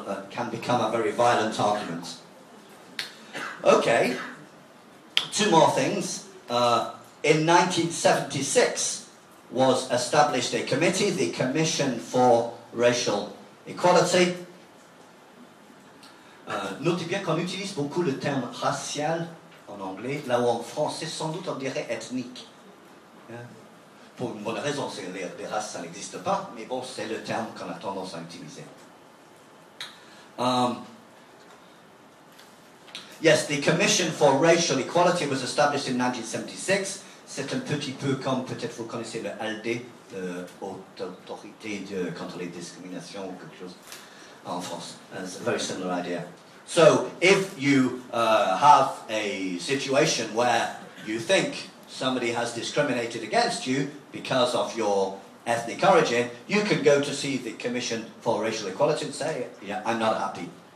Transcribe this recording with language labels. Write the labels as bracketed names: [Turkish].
[English] Can become a very violent argument. Okay, two more things. In 1976 was established a committee, the Commission for Racial Equality. [French] Notez bien qu'on utilise beaucoup le terme racial en anglais, là où en français sans doute on dirait ethnique. Pour une bonne raison, c'est que les races ça n'existe pas, mais bon, c'est le terme qu'on a tendance à utiliser. [English] Yes, the Commission for Racial Equality was established in 1976. [French] C'est un petit peu comme peut-être vous connaissez le ALDE, l'autorité contre les discriminations ou quelque chose. En France, [English] it's a very similar idea. So, if you have a situation where you think somebody has discriminated against you because of your ethnic origin, you can go to see the Commission for Racial Equality and say, yeah, I'm not happy.